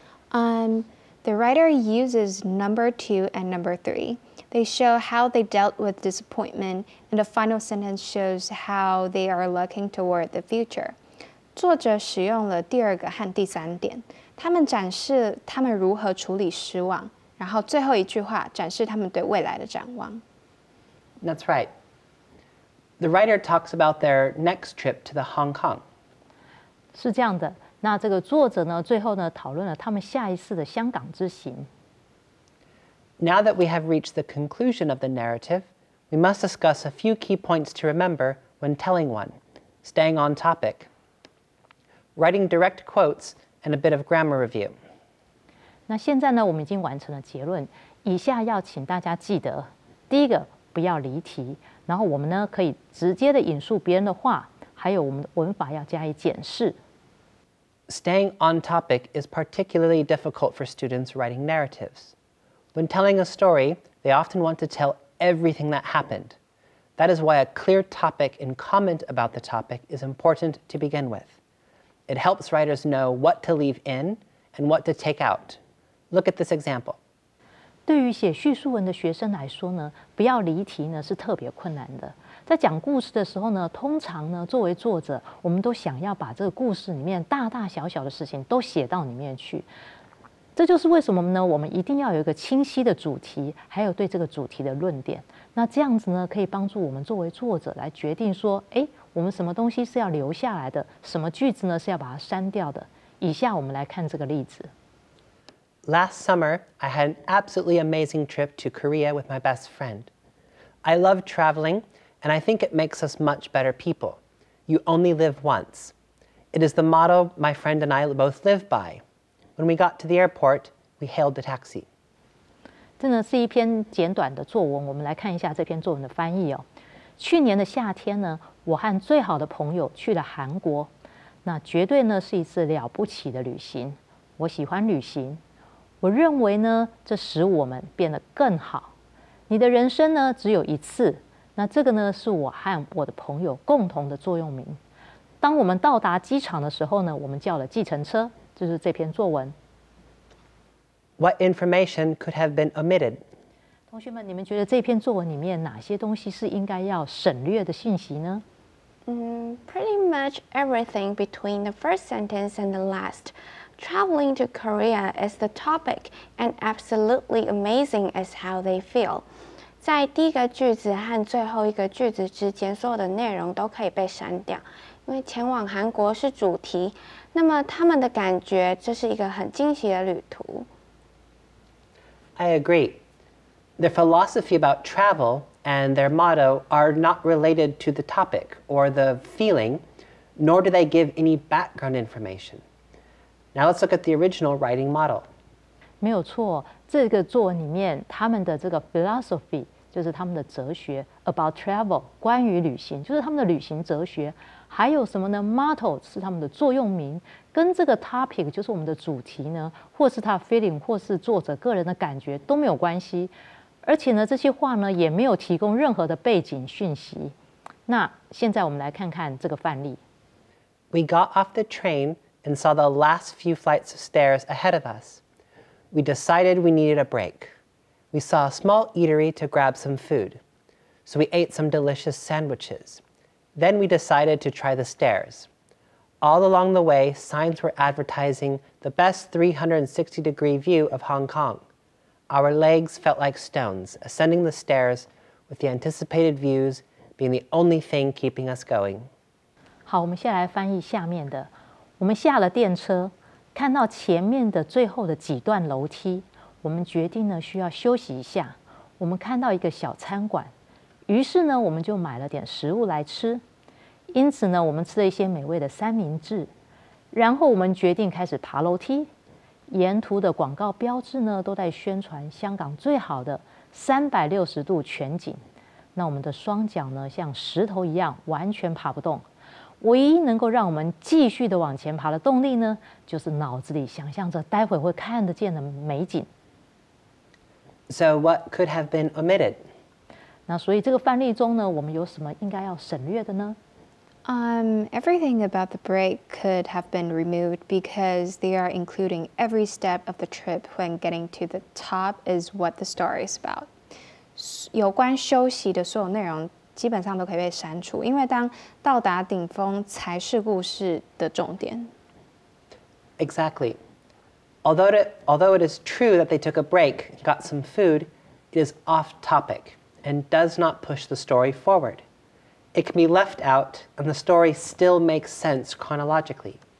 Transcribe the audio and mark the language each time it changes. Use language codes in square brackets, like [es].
[en] The writer uses number two and number three. They show how they dealt with disappointment, and the final sentence shows how they are looking toward the future. [zh] 作者使用了第二个和第三点，他们展示他们如何处理失望。然后最后一句话展示他们对未来的展望。 [en] That's right. The writer talks about their next trip to the Hong Kong. [zh] 是这样的。那这个作者呢，最后呢，讨论了他们下一次的香港之行。 [en] Now that we have reached the conclusion of the narrative, we must discuss a few key points to remember when telling one, staying on topic, writing direct quotes, and a bit of grammar review. [zh] 那现在呢，我们已经完成了结论。以下要请大家记得：第一个，不要离题；然后我们呢，可以直接的引述别人的话；还有我们的文法要加以检视。 [en] Staying on topic is particularly difficult for students writing narratives. When telling a story, they often want to tell everything that happened. That is why a clear topic and comment about the topic is important to begin with. It helps writers know what to leave in and what to take out. Look at this example. [zh] 对于写叙述文的学生来说呢，不要离题呢是特别困难的。在讲故事的时候呢，通常呢作为作者，我们都想要把这个故事里面大大小小的事情都写到里面去。这就是为什么呢，我们一定要有一个清晰的主题，还有对这个主题的论点。那这样子呢，可以帮助我们作为作者来决定说，哎，我们什么东西是要留下来的，什么句子呢是要把它删掉的。以下我们来看这个例子。 [en] Last summer, I had an absolutely amazing trip to Korea with my best friend. I love traveling, and I think it makes us much better people. You only live once. It is the motto my friend and I both live by. When we got to the airport, we hailed a taxi. [zh] 真的是一篇简短的作文，我们来看一下这篇作文的翻译哦。去年的夏天呢，我和最好的朋友去了韩国。那绝对呢是一次了不起的旅行。我喜欢旅行。我认为呢，这使我们变得更好。你的人生呢，只有一次。那这个呢，是我和我的朋友共同的座右铭。当我们到达机场的时候呢，我们叫了计程车。就是这篇作文。 [en] What information could have been omitted? [zh] 同学们，你们觉得这篇作文里面哪些东西是应该要省略的信息呢？ [en] Pretty much everything between the first sentence and the last. Traveling to Korea is the topic, and absolutely amazing is how they feel. [zh] 在第一个句子和最后一个句子之间，所有的内容都可以被删掉，因为前往韩国是主题。那么他们的感觉，这是一个很惊喜的旅途。 [en] I agree. Their philosophy about travel and their motto are not related to the topic or the feeling, nor do they give any background information. Now let's look at the original writing model. [zh] 没有错，这个作文里面他们的这个 philosophy 就是他们的哲学 [en] about travel, [zh] 关于旅行，就是他们的旅行哲学。还有什么呢 ？Motto 是他们的座右铭，跟这个 topic 就是我们的主题呢，或是他 feeling 或是作者个人的感觉都没有关系。而且呢，这些话呢也没有提供任何的背景讯息。那现在我们来看看这个范例。 [en] We got off the train and saw the last few flights of stairs ahead of us. We decided we needed a break. We saw a small eatery to grab some food. So we ate some delicious sandwiches. Then we decided to try the stairs. All along the way, signs were advertising the best 360-degree view of Hong Kong. Our legs felt like stones, ascending the stairs with the anticipated views being the only thing keeping us going. [zh] 好，我们先来翻译下面的。我们下了电车，看到前面的最后的几段楼梯，我们决定呢需要休息一下。我们看到一个小餐馆，于是呢我们就买了点食物来吃。因此呢我们吃了一些美味的三明治，然后我们决定开始爬楼梯。沿途的广告标志呢都在宣传香港最好的360度全景。那我们的双脚呢像石头一样完全爬不动。唯一能够让我们继续的往前爬的动力呢，就是脑子里想象着待会会看得见的美景。 [en] So what could have been omitted? [zh] 那所以这个范例中呢，我们有什么应该要省略的呢？ [en] Everything about the break could have been removed because they are including every step of the trip when getting to the top is what the story is about. [zh] 有关休息的所有内容基本上都可以被删除，因为当到达顶峰才是故事的重点。 [en] Exactly. Although it is true that they took a break, got some food, it is off topic and does not push the story forward. It can be left out and the story still makes sense chronologically.